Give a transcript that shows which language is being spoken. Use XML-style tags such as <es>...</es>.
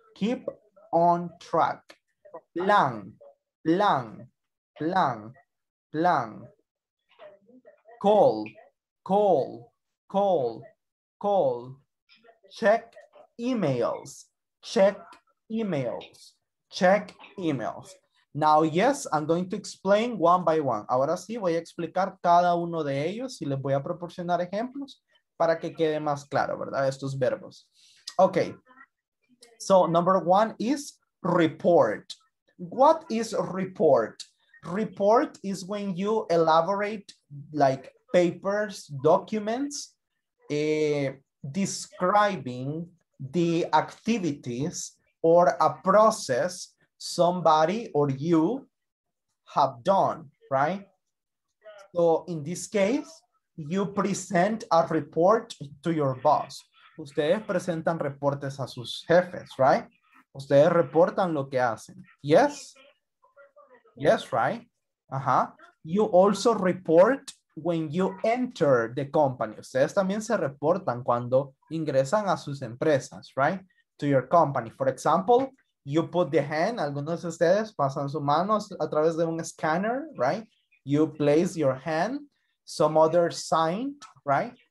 <en>Keep on track. Plan, plan, plan, plan. Call, call, call, call. Check emails, check emails, check emails. Now, yes, I'm going to explain one by one.</en> <es>Ahora sí, voy a explicar cada uno de ellos y les voy a proporcionar ejemplos para que quede más claro, ¿verdad? Estos verbos.</es> <en>Okay. So number one is report. What is report? Report is when you elaborate like papers, documents, describing the activities or a process somebody or you have done, right? So in this case, you present a report to your boss.</en> <es>Ustedes presentan reportes a sus jefes, right? Ustedes reportan lo que hacen. Yes? Yes, right? Uh-huh.</es> <en>You also report when you enter the company.</en> <es>Ustedes también se reportan cuando ingresan a sus empresas, right?</es> <en>To your company. For example, you put the hand.</en> <es>Algunos de ustedes pasan su mano a través de un scanner, right?</es> <en>You place your hand. Some others sign, right?</en>